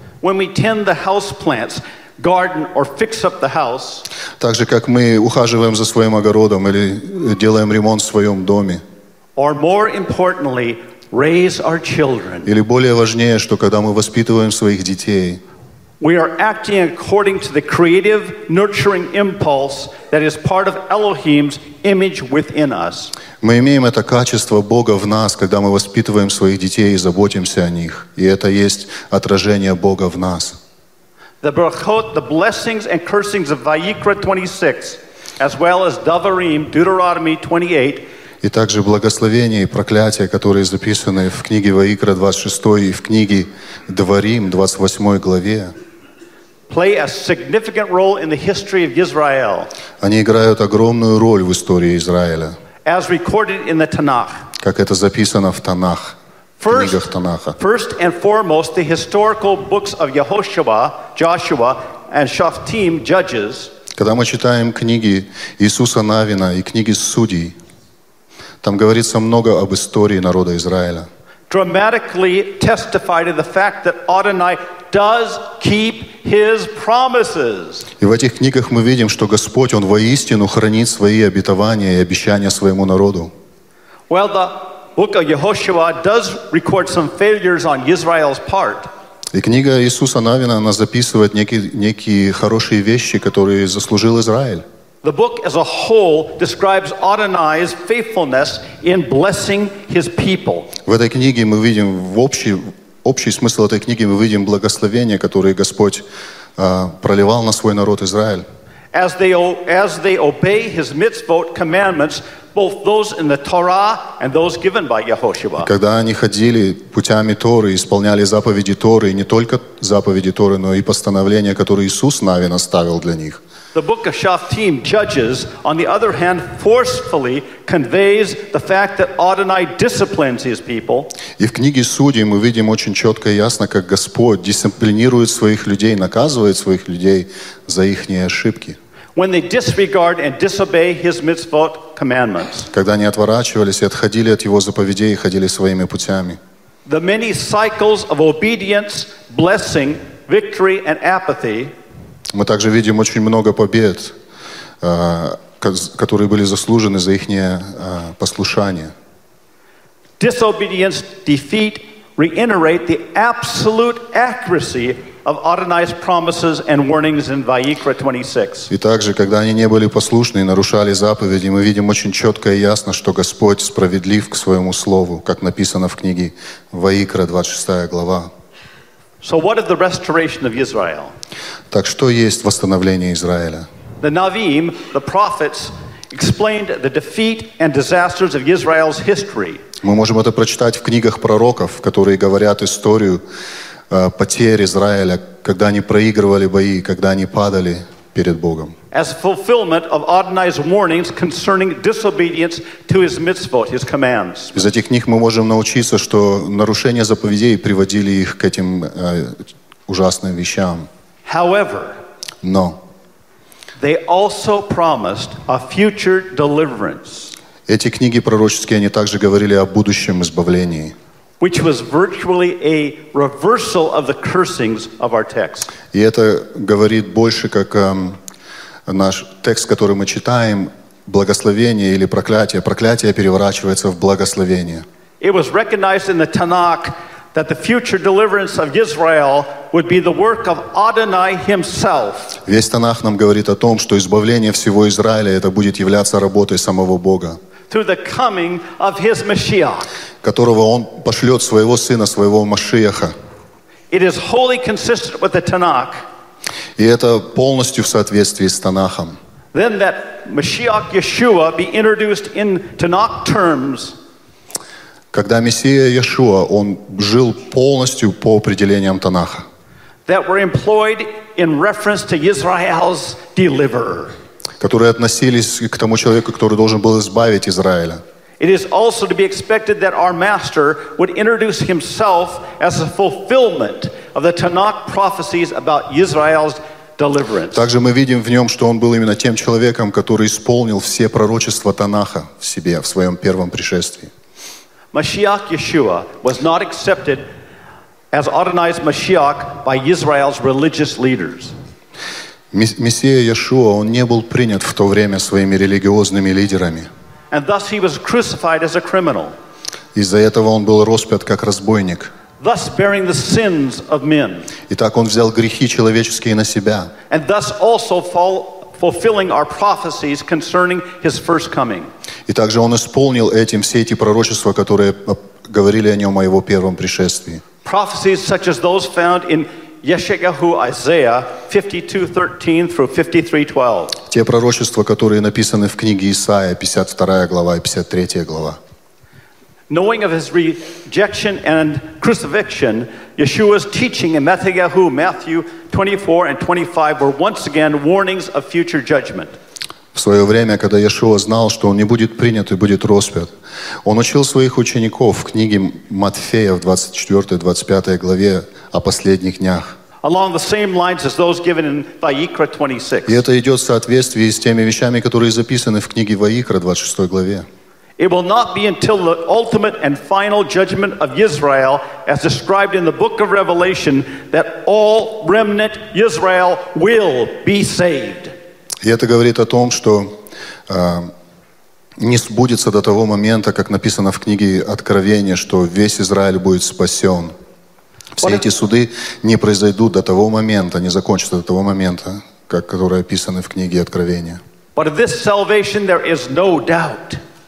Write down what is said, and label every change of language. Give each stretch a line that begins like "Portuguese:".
English: When we tend the house plants, garden or fix up the house.
Russian: Так же как мы ухаживаем за своим огородом или делаем ремонт в своем доме.
English: Or more importantly, raise our children.
Russian: Или более важнее, что когда мы воспитываем своих детей.
English: We are acting according to the creative, nurturing impulse that is part of Elohim's image within us.
Russian: Мы имеем это качество Бога в нас, когда мы воспитываем своих детей и заботимся о них, и это есть отражение Бога в нас.
English: The brachot, the blessings and cursings of Vayikra 26, as well as Devarim, Deuteronomy 28.
Russian: И также благословения и проклятия, которые записаны в книге Ваикра 26 и в книге Дворим 28 главе,
English: play a significant role in the history of Israel.
Russian: Они играют огромную роль в истории Израиля,
English: as recorded in the Tanakh.
Russian: Как это записано в Танах,
English: first,
Russian: в книгах Танаха.
English: First and foremost, the historical books of Yehoshua, Joshua, and Shoftim judges,
Russian: когда мы читаем книги Иисуса Навина и книги Судей, там говорится много об истории народа Израиля.
English: Dramatically testified to the fact that Adonai does keep his promises.
Russian: И в этих книгах мы видим, что Господь, Он воистину хранит свои обетования и обещания своему народу.
English: Well, the book of Yehoshua does record some failures on Israel's part.
Russian: И книга Иисуса Навина, она записывает некие хорошие вещи, которые заслужил Израиль.
English: The book as a whole describes Adonai's faithfulness in blessing his people.
Russian: В этой книге мы видим общий смысл этой книги мы видим благословения, которые Господь проливал на свой народ Израиль.
English: As they obey his mitzvot commandments, both those in the Torah and those given by Yehoshua.
Russian: Когда они ходили путями Торы, исполняли заповеди Торы, не только заповеди Торы, но и постановления, которые Иисус Навин оставил для них.
English: The book of Shoftim, Judges, on the other hand, forcefully conveys the fact that Adonai disciplines his people.
Russian: И в книге Судей мы видим очень четко и ясно, как Господь дисциплинирует своих людей, наказывает своих людей за их ошибки.
English: When they disregard and disobey his mitzvot commandments.
Russian: Когда они отворачивались и отходили от его заповедей и ходили своими путями.
English: The many cycles of obedience, blessing, victory, and apathy.
Russian: Мы также видим очень много побед, которые были заслужены за их послушание.
English: Disobedience, defeat reiterate the absolute accuracy of Adonai's promises and warnings in Vayikra 26.
Russian: И также, когда они не были послушны и нарушали заповеди, мы видим очень четко и ясно, что Господь справедлив к своему слову, как написано в книге Ваикра, 26 глава.
English: So what of the restoration of Israel?
Russian: Так что есть восстановление Израиля?
English: The Navim, the prophets, explained the defeat and disasters of Israel's history.
Russian: Мы можем это прочитать в книгах пророков, которые говорят историю потерь Израиля, когда они проигрывали бои, когда они падали перед Богом.
English: As fulfillment of Adonai's warnings concerning disobedience to his mitzvot, his commands.
Russian: Из этих книг мы можем научиться, что нарушение заповедей приводили их к этим ужасным вещам.
English: However,
Russian: но
English: they also promised a future deliverance.
Russian: Эти книги пророческие, они также говорили о будущем избавлении.
English: Which was virtually a reversal of the cursings of our text.
Russian: И это говорит больше, как наш текст, который мы читаем, благословение или проклятие. Проклятие переворачивается в благословение.
English: It was recognized in the Tanakh that the future deliverance of Israel would be the work of Adonai himself.
Russian: Весь Танах нам говорит о том, что избавление всего Израиля это будет являться работой самого Бога.
English: Through the coming of his Mashiach.
Russian: Которого он пошлет своего сына, своего Машиаха.
English: It is wholly consistent with the Tanakh.
Russian: И это полностью в соответствии с Танахом.
English: Then that Mashiach Yeshua be introduced in Tanakh terms.
Russian: Когда Мессия Иешуа, он жил полностью по определениям Танаха.
English: That were employed in reference to Israel's deliverer.
Russian: Которые относились к тому человеку, который должен был избавить Израиля.
English: It is also to be expected that our master would introduce himself as a fulfillment of the Tanakh prophecies about Israel's deliverance.
Russian: Также мы видим в нем, что он был именно тем человеком, который исполнил все пророчества Танаха в себе, в своем первом пришествии.
English: Mashiach Yeshua was not accepted as Adonai's Mashiach by Israel's religious leaders.
Russian: Мессия Иешуа, он не был принят в то время своими религиозными лидерами.
English: And thus he was crucified as a criminal.
Russian: Из-за этого он был распят как разбойник.
English: Thus bearing the sins of men.
Russian: И так он взял грехи человеческие на себя.
English: And thus also fulfilling our prophecies concerning his first coming.
Russian: И также он исполнил этим все эти пророчества, которые говорили о нем о его первом пришествии.
English: Prophecies such as those found in Yeshayahu, Isaiah 52:13 through 53:12.
Russian: Те пророчества, которые написаны в книге Исаия, 52 глава и 53 глава.
English: Knowing of his rejection and crucifixion, Yeshua's teaching in Matthew 24 and 25 were once again warnings of future judgment.
Russian: В свое время, когда Иешуа знал, что он не будет принят и будет распят, он учил своих учеников в книге Матфея в 24-25 главе о последних днях.
English: along the same lines as those given in Vayikra 26.
Russian: И это идет в соответствии с теми вещами, которые записаны в книге Ваикра, 26 главе.
English: It will not be until the ultimate and final judgment of Israel, as described in the book of Revelation, that all remnant Israel will be saved.
Russian: И это говорит о том, что не сбудется до того момента, как написано в книге Откровения, что весь Израиль будет спасен. Все эти суды не произойдут до того момента, не закончатся до того момента, как которые описаны в книге Откровения.
English: But of this salvation there is no doubt.